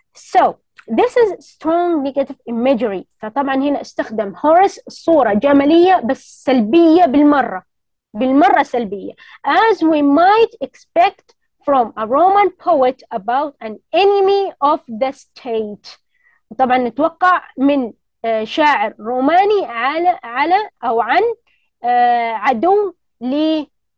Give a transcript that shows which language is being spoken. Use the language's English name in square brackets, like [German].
[English] So this is strong negative imagery. [Arabic] فطبعا هنا استخدم هورس صورة جمالية بس سلبية بالمرة، بالمرة سلبية. [English] As we might expect from a Roman poet about an enemy of the state. [Arabic] طبعا نتوقع من شاعر روماني على أو عن عدو للولاية.